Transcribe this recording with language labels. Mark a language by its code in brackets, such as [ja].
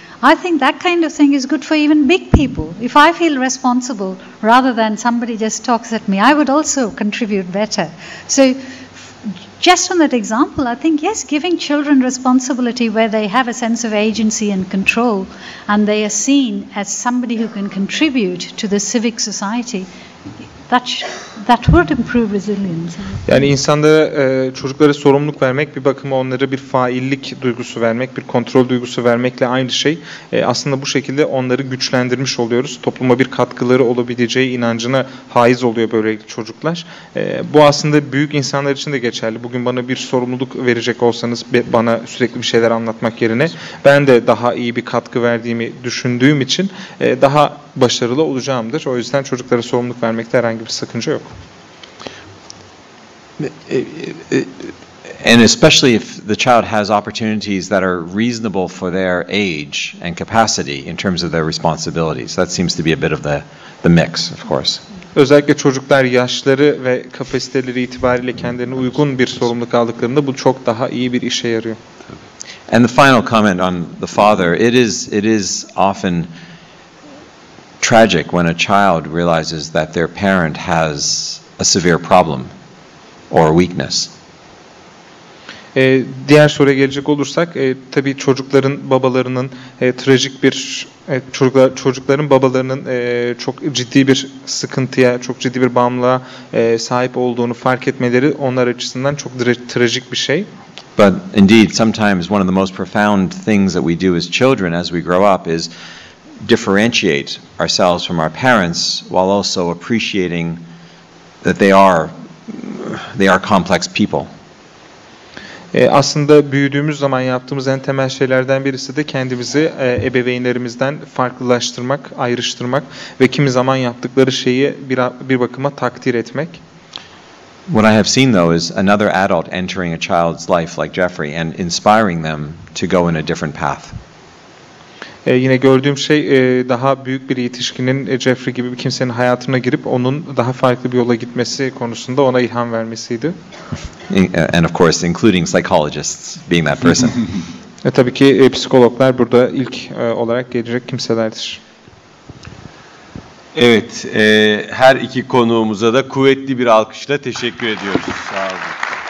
[en] I think that kind of thing is good for even big people. If I feel responsible rather than somebody just talks at me, I would also contribute better. So Just on that example, I think, yes, giving children responsibility where they have a sense of agency and control and they are seen as somebody who can contribute to the civic society, that would improve resilience. [tr] Yani insanlara, çocuklara sorumluluk vermek, bir bakıma onlara bir faillik duygusu vermek, bir kontrol duygusu vermekle aynı şey. Aslında bu şekilde onları güçlendirmiş oluyoruz. Topluma bir katkıları olabileceği inancına haiz oluyor böylelikle çocuklar. Bu aslında büyük insanlar için de geçerli. Bugün bana bir sorumluluk verecek olsanız, bana sürekli bir şeyler anlatmak yerine, ben de daha iyi bir katkı verdiğimi düşündüğüm için daha başarılı olacağımdır. O yüzden çocuklara sorumluluk vermekte herhangi bir sakınca yok. [en] And especially if the child has opportunities that are reasonable for their age and capacity in terms of their responsibilities. That seems to be a bit of the mix, of course. [tr] Özellikle çocuklar yaşları ve kapasiteleri itibariyle kendilerine uygun bir sorumluluk aldıklarında bu çok daha iyi bir işe yarıyor. [en] And the final comment on the father, it is often tragic when a child realizes that their parent has a severe problem or weakness. [tr] Diğer soruya gelecek olursak, tabii çocukların babalarının trajik bir çocukların babalarının çok ciddi bir sıkıntıya, çok ciddi bir bağımlılığa sahip olduğunu fark etmeleri onlar açısından çok trajik bir şey. [en] But indeed, sometimes one of the most profound things that we do as children as we grow up is differentiate ourselves from our parents while also appreciating that they are complex people. [tr] Aslında büyüdüğümüz zaman yaptığımız en temel şeylerden birisi de kendimizi ebeveynlerimizden farklılaştırmak, ayrıştırmak ve kimi zaman yaptıkları şeyi bir bakıma takdir etmek. [en] What I have seen though is another adult entering a child's life like Jeffrey and inspiring them to go in a different path. [tr] Yine gördüğüm şey daha büyük bir yetişkinin Jeffrey gibi bir kimsenin hayatına girip onun daha farklı bir yola gitmesi konusunda ona ilham vermesiydi. [en] And of course including psychologists being that person. [tr] Tabii ki psikologlar burada ilk olarak gelecek kimselerdir. Evet, her iki konuğumuza da kuvvetli bir alkışla teşekkür ediyoruz. Sağ olun.